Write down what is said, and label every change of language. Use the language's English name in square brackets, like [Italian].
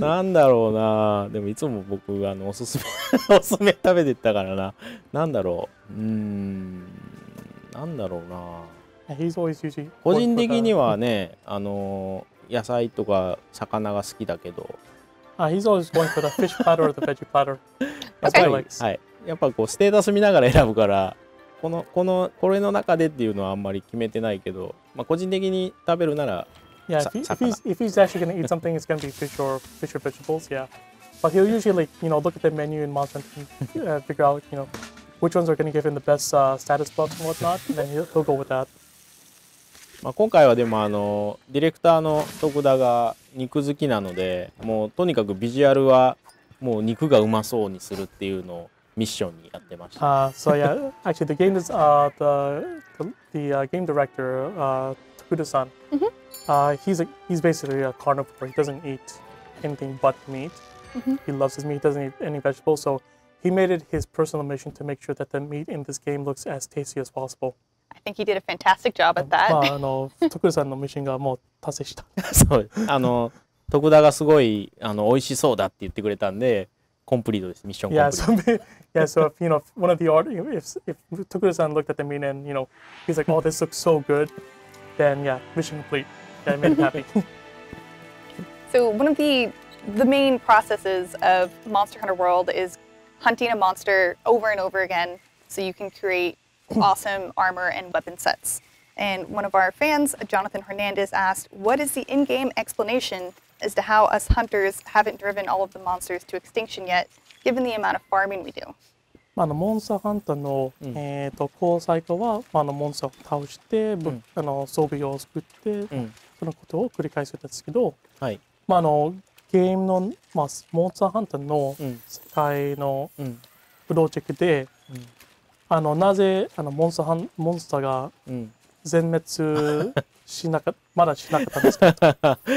[Japanese] なんだろうな。でもいつも僕あのおすすめおすすめ食べてったからな。なんだろう。なんだろうな。 [English] He's always using [Japanese] 個人的にはね、野菜とか魚が好きだけど。 [English] He's always going for the fish platter or the veggie platter. That's what he likes. [Japanese] はい。やっぱこうステータス見ながら選ぶから、このこれの中でっていうのはあんまり決めてないけど、まあ、個人的に食べるなら、 [English] if he's actually going to eat something, it's going to be fish or vegetables. Yeah. But he'll usually, like, you know, look at the menu in Monster Hunter and figure out, you know, which ones are going to give him the best status buffs and whatnot, and then he'll go with that. [Japanese] まあ、今回はでもあのディレクターの徳田が肉好きなので、もうとにかくビジュアルはもう肉がうまそうにするっていうのをミッションにやってました。 [English] So yeah, actually the game is the game director Tokuda-san、he's basically a carnivore. He doesn't eat anything but meat. He loves his meat. He doesn't eat any vegetables. So he made it his personal mission to make sure that the meat in this game looks as tasty as possible. I think he did a fantastic job at that. [Japanese] まあ、あの、徳田さんのミッションがもう達成した。そう、あの、徳田がすごい、あの、美味しそうだって言ってくれたんで、コンプリートです、ミッションコンプリート。 [English] Yeah, so if, you know, one of the art, if Tokuda-san looked at the meat and, you know, he's like, oh, this looks so good, then yeah, mission complete. Yeah, I made him happy. So one of the main processes of Monster Hunter World is hunting a monster over and over again so you can createawesome armor and weapon sets. And one of our fans, Jonathan Hernandez, asked, what is the in-game explanation as to how us hunters haven't driven all of the monsters to extinction yet, given the amount of farming we do? [Japanese] まあ、あのモンスターハンターの、高サイトは、まあ、あのモンスターを倒して、うん、あの装備を作って、うん、そのことを繰り返すんですけど、はい、まあ、あのゲームの、まあ、モンスターハンターの世界のプロジェクトで、うんうんうん、あのなぜあのモンスターが全滅しなか、うん、まだしなかったんですか